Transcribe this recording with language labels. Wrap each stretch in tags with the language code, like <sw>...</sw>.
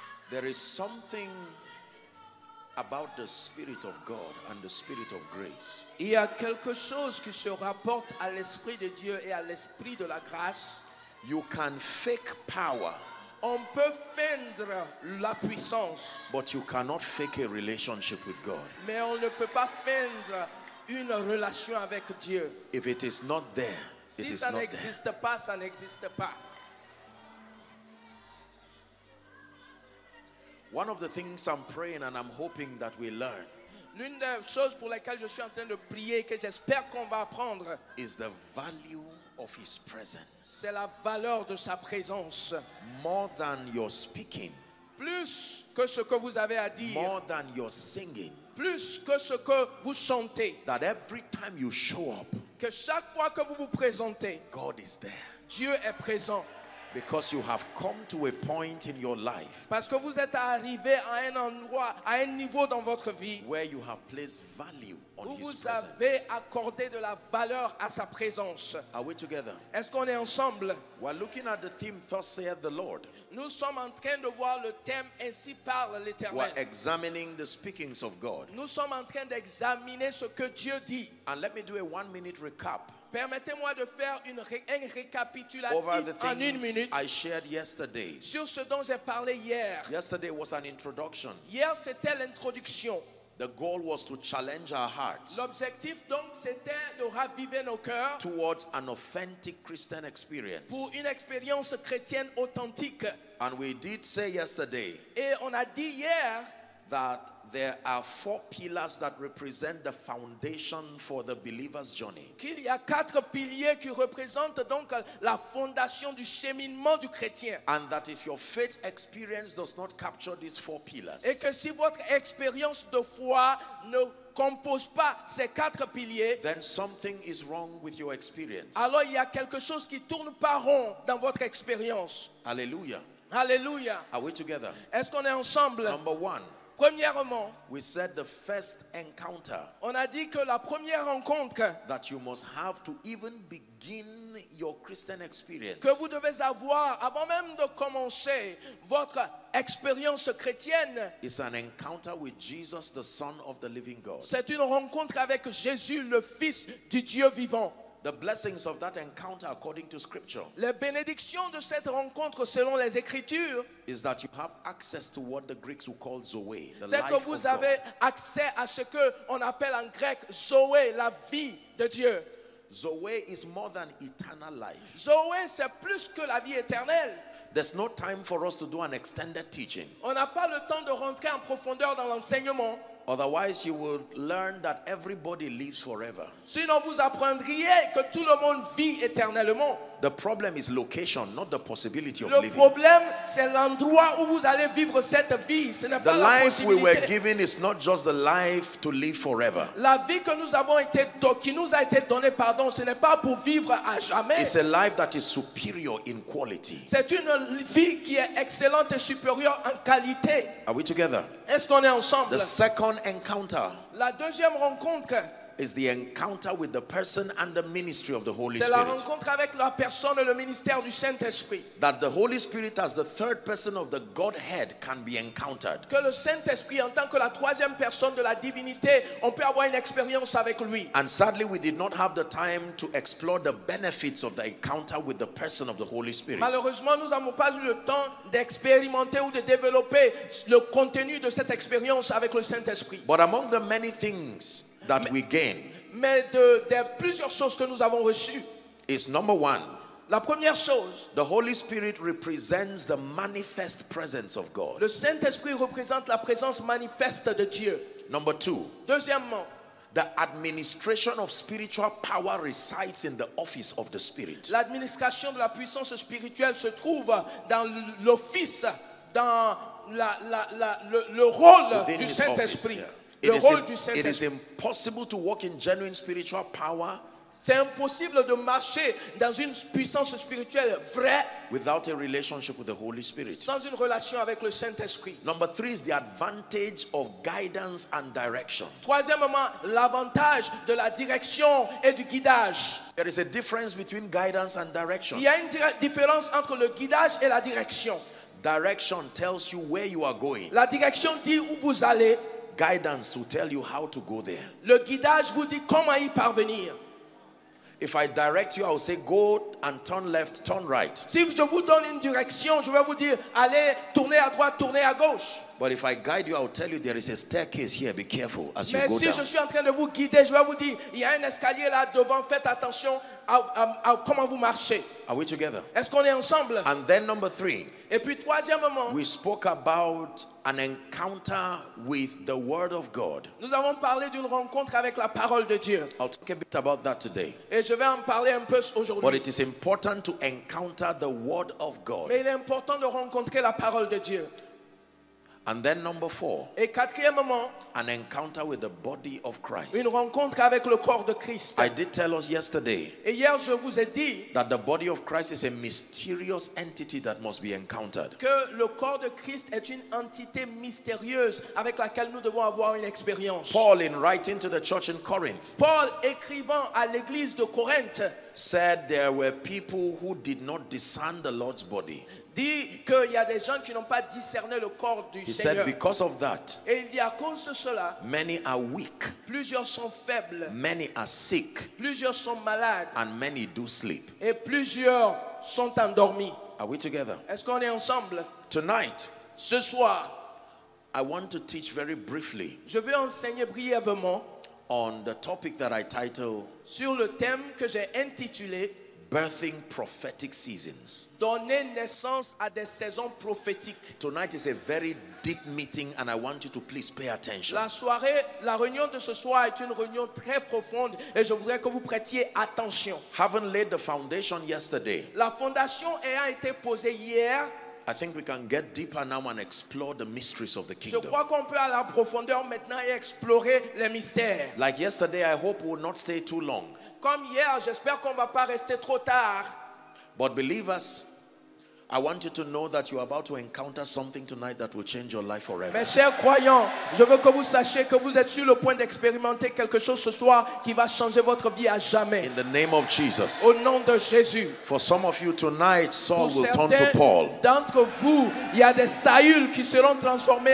<en>There is something about the Spirit of God and the Spirit of grace.</en> <fr>Il y a quelque chose qui se rapporte à l'esprit de Dieu et à l'esprit de la grâce.</fr> <en>You can fake power.</en> <fr>On peut feindre la puissance.</fr> <en>But you cannot fake a relationship with God.</en> <fr>Mais on ne peut pas feindre une relation avec Dieu.</fr> <en>If it is not there,</en> <fr>si</fr> <en>it is</en> <fr>ça</fr> <en>not</en> <fr>n'existe</fr> <en>there.</en> <fr>Pas, ça n'existe pas.</fr> <en>One of the things I'm praying and I'm hoping that we learn.</en> <fr>L'une des choses pour lesquelles je suis en train de prier que j'espère qu'on va apprendre</fr> <en>is the value of his presence.</en> <fr>C'est la valeur de sa présence.</fr> <en>More than your speaking.</en> <fr>Plus que ce que vous avez à dire.</fr> <en>More than your singing.</en> <fr>Plus que ce que vous chantez.</fr> <en>That every time you show up.</en> <fr>Que chaque fois que vous vous présentez.</fr> <en>God is there.</en> <fr>Dieu est présent.</fr> <en>Because you have come to a point in your life.</en> <fr>Parce que vous êtes arrivé à un endroit, à un niveau dans votre vie.</fr> <en>Where you have placed value on his presence.</en> <fr>Vous avez accordé de la valeur à sa présence.</fr> <en>Are we together?</en> <fr>Est-ce qu'on est ensemble?</fr> <en>We're looking at the theme, Thus saith the Lord.</en> <fr>Nous sommes en train de voir le thème, Ainsi parle l'Éternel.</fr> <en>We're examining the speakings of God.</en> <fr>Nous sommes en train d'examiner ce que Dieu dit.</fr> <en>And let me do a 1 minute recap.</en> <fr>Permettez-moi de faire un récapitulatif en une minute</fr> <en>I shared yesterday.</en> <fr>Sur ce dont j'ai parlé hier.</fr> <en>Yesterday was an introduction.</en> <fr>Hier, c'était l'introduction.</fr> <en>The goal was to challenge our hearts.</en> <fr>L'objectif donc c'était de raviver nos cœurs</fr> <en>towards an authentic Christian experience.</en> <fr>Pour une expérience chrétienne authentique.</fr> <en>And we did say yesterday.</en> <fr>Et on a dit hier</fr> <en>that there are four pillars that represent the foundation for the believer's journey.</en> <fr>Qu'il y a quatre piliers qui représentent donc la fondation du cheminement du chrétien.</fr> <en>And that if your faith experience does not capture these four pillars.</en> <fr>Et que si votre expérience de foi ne compose pas ces quatre piliers,</fr> <en>then something is wrong with your experience.</en> <fr>Alors il y a quelque chose qui tourne pas rond dans votre expérience. Alléluia. Alléluia.</fr> <en>Are we together?</en> <fr>Est-ce qu'on est ensemble?</fr> <en>Number one.</en> <fr>Premièrement,</fr> <en>we said the first encounter.</en> <fr>On a dit que la première rencontre</fr> <en>that you must have to even begin your Christian experience.</en> <fr>Que vous devez avoir avant même de commencer votre expérience chrétienne.</fr> <en>It's an encounter with Jesus, the Son of the Living God.</en> <fr>C'est une rencontre avec Jésus, le Fils du Dieu vivant.</fr> <en>The blessings of that encounter according to scripture.</en> <fr>Les bénédictions de cette rencontre selon les écritures</fr> <en>is that you have access to what the Greeks would call Zoe, the life of God.</en> <fr>C'est que vous avez accès à ce que on appelle en grec Zoé, la vie de Dieu.</fr> <en>Zoe is more than eternal life.</en> <fr>Zoé c'est plus que la vie éternelle.</fr> <en>There's no time for us to do an extended teaching.</en> <fr>On n'a pas le temps de rentrer en profondeur dans l'enseignement.</fr> <en>Otherwise, you will learn that everybody lives forever.</en> <fr>Sinon, vous apprendriez que tout le monde vit éternellement.</fr> <en>The problem is location, not the possibility of</en> <fr>le</fr> <en>living.</en> <fr>Le problème, c'est l'endroit où vous allez vivre cette vie. Ce n'est</fr> <en>the</en> <fr>pas</fr> <en>life</en> <fr>la possibilité.</fr> <en>We were given is not just the life to live forever.</en> <fr>La vie que nous avons été qui nous a été donnée, pardon, ce n'est pas pour vivre à jamais.</fr> <en>It's a life that is superior in quality.</en> <fr>C'est une vie qui est excellente et supérieure en qualité.</fr> <en>Are we together?</en> <fr>Est-ce qu'on est ensemble?</fr> <en>The second encounter.</en> <fr>La deuxième rencontre.</fr> <en>Is the encounter with the person and the ministry of the Holy Spirit.</en> <fr>C'est la rencontre avec la personne et le ministère du Saint-Esprit.</fr> <en>That the Holy Spirit as the third person of the Godhead can be encountered.</en> <fr>Que le Saint-Esprit en tant que la troisième personne de la divinité, on peut avoir une expérience avec lui.</fr> <en>And sadly we did not have the time to explore the benefits of the encounter with the person of the Holy Spirit.</en> <fr>Malheureusement, nous n'avons pas eu le temps d'expérimenter ou de développer le contenu de cette expérience avec le Saint-Esprit.</fr> <en>But among the many things that we gain.</en> <fr>Mais de plusieurs choses que nous avons reçues.</fr> <en>Is number one.</en> <fr>La première chose.</fr> <en>The Holy Spirit represents the manifest presence of God.</en> <fr>Le Saint-Esprit représente la présence manifeste de Dieu.</fr> <en>Number two.</en> <fr>Deuxièmement.</fr> <en>The administration of spiritual power resides in the office of the Spirit.</en> <fr>L'administration de la puissance spirituelle se trouve dans l'office, dans le rôle</fr> <en>within</en> <fr>du Saint-Esprit.</fr> <en>Office, yeah. It is impossible to walk in genuine spiritual power.</en> <fr>C'est impossible de marcher dans une puissance spirituelle vraie</fr> <en>without a relationship with the Holy Spirit.</en> <fr>Sans une relation avec le Saint-Esprit.</fr> <en>Number three is the advantage of guidance and direction.</en> <fr>Troisièmement, l'avantage de la direction et du guidage.</fr> <en>There is a difference between guidance and direction.</en> <fr>Il y a une différence entre le guidage et la direction.</fr> <en>Direction tells you where you are going.</en> <fr>La direction dit où vous allez.</fr> <en>Guidance will tell you how to go there.</en> <fr>Le guidage vous dit comment y parvenir.</fr> <en>If I direct you, I will say go and turn left, turn right.</en> <fr>Si je vous donne une direction, je vais vous dire allez tourner à droite, tourner à gauche.</fr> <en>But if I guide you, I will tell you there is a staircase here. Be careful as</en> <fr>mais</fr> <en>you go</en> <fr>si</fr> <en>down.</en> <fr>Je suis en train de vous guider, je vais vous dire il y a un escalier là devant. Faites attention à comment vous marchez.</fr> <en>Are we together?</en> <fr>Est-ce qu'on est ensemble?</fr> <en>And then number three.</en> <fr>Et puis troisièmement,</fr> <en>we spoke about an encounter with the Word of God.</en> <fr>Nous avons parlé d'une rencontre avec la parole de Dieu.</fr> <en>I'll talk a bit about that today.</en> <fr>Et je vais en parler un peu aujourd'hui.</fr> <en>But it is important to encounter the Word of God.</en> <fr>Mais il est important de rencontrer la parole de Dieu.</fr> <en>And then number four.</en> <fr>Et quatrièmement,</fr> <en>an encounter with the body of Christ.</en> <fr>Une rencontre avec le corps de Christ.</fr> <en>I did tell us yesterday.</en> <fr>Et hier je vous ai dit</fr> <en>that the body of Christ is a mysterious entity that must be encountered.</en> <fr>Que le corps de Christ est une entité mystérieuse avec laquelle nous devons avoir une expérience.</fr> <en>Paul, in writing to the church in Corinth.</en> <fr>Paul écrivant à l'église de Corinthe,</fr> <en>said there were people who did not discern the Lord's body.</en> <fr>Dit qu'il y a des gens qui n'ont pas discerné le corps du</fr> <en>He</en> <fr>Seigneur.</fr> <en>Said, because of that,</en> <fr>et il dit à cause de cela,</fr> <en>many are weak,</en> <fr>plusieurs sont faibles,</fr> <en>many are sick,</en> <fr>plusieurs sont malades,</fr> <en>and many do sleep.</en> <fr>Et plusieurs sont endormis.</fr> <en>Are we together?</en> <fr>Est-ce qu'on est ensemble?</fr> <en>Tonight,</en> <fr>ce soir,</fr> <en>I want to teach very briefly.</en> <fr>Je veux enseigner brièvement</fr> <en>on the topic that I titled.</en> <fr>Sur le thème que j'ai intitulé.</fr> <en>Birthing prophetic seasons.</en> <fr>Donner naissance à des saisons prophétiques.</fr> <en>Tonight is a very deep meeting, and I want you to please pay attention.</en> <fr>La soirée, la réunion de ce soir est une réunion très profonde, et je voudrais que vous prêtiez attention.</fr> <en>Haven't laid the foundation yesterday.</en> <fr>La fondation ayant été posée hier.</fr> <en>I think we can get deeper now and explore the mysteries of the kingdom.</en> <fr>Je crois qu'on peut aller en profondeur maintenant et explorer les mystères.</fr> <en>Like yesterday, I hope we'll not stay too long.</en> <fr>Comme hier, j'espère qu'on va pas rester trop tard.</fr> <en>But believers, I want you to know that you are about to encounter something tonight that will change your life forever.</en> <fr>Mes chers croyants, je veux que vous sachiez que vous êtes sur le point d'expérimenter quelque chose ce soir qui va changer votre vie à jamais.</fr> <en>In the name of Jesus.</en> <fr>Au nom de Jésus.</fr> <en>For some of you tonight, Saul</en> <fr>pour</fr> <en>will turn to Paul.</en> <fr>D'entre vous, il y a des Saül qui seront transformés</fr>